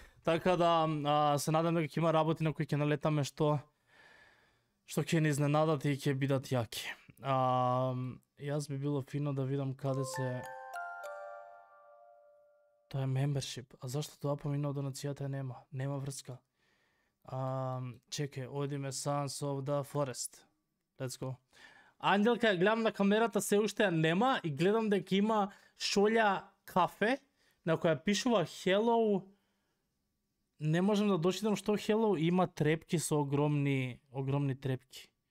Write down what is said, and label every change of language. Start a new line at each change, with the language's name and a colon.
Macedonian: Така да се надам дека има работи на кои ќе налетаме што ќе ни изненадат и ќе бидат јаки. Јас би било фино да видам каде се... Тоа е membership. А зашто тоа помина од донацијата нема? Нема врска. Чекај, одиме Sons of the Forest.
English: Let's go.
Macedonian: Анделка, гледам на камерата, се уште нема и гледам дека има шолја кафе на која пишува Hello. Не можам да дочитам што Hello, има трепки со огромни трепки.